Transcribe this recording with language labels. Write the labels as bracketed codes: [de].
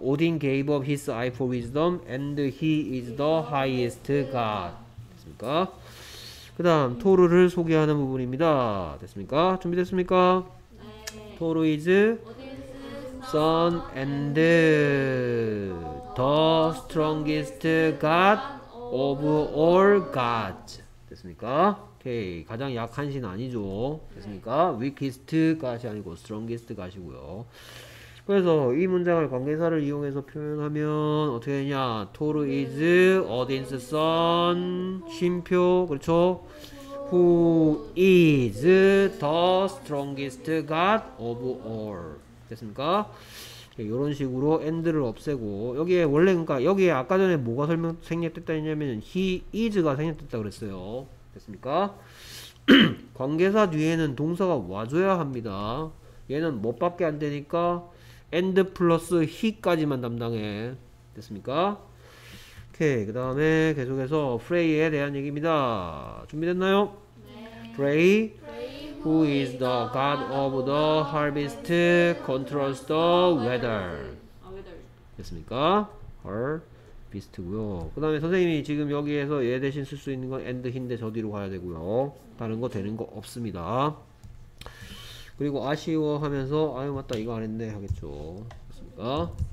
[en] Odin gave up his eye for wisdom and he is the highest god. [ko] 됐습니까? 그 다음 토르를 소개하는 부분입니다. 됐습니까? 준비됐습니까? 네. [en] 토르 is son and the strongest god of all gods. [ko] 됐습니까? 오케이. 가장 약한 신 아니죠. 됐습니까? [en] weakest god [ko] 이 아니고 [en] strongest god [ko] 이고요. 그래서 이 문장을 관계사를 이용해서 표현하면 어떻게 되냐? [en] Thor is Odin's son. [ko] 쉼표. 그렇죠? [en] Who is the strongest god of all. [ko] 됐습니까? 이런 식으로 and를 없애고 여기에 원래 그러니까 여기에 아까 전에 뭐가 설명 생략됐다 했냐면 he is가 생략됐다 그랬어요. 됐습니까? 관계사 뒤에는 동사가 와줘야 합니다. 얘는 뭐밖에 안 되니까 and 플러스 he까지만 담당해. 됐습니까? 오케이. 그 다음에 계속해서 프레이에 대한 얘기입니다. 준비됐나요? 네. [en] 프레이 who is the god of the harvest controls the weather. [ko] 됐습니까? harvest고요. 그 다음에 선생님이 지금 여기에서 얘 대신 쓸 수 있는 건 and 힌데 저 뒤로 가야 되고요. 다른 거 되는 거 없습니다. 그리고 아쉬워 하면서 아유 맞다 이거 안 했네 하겠죠. 됐습니까?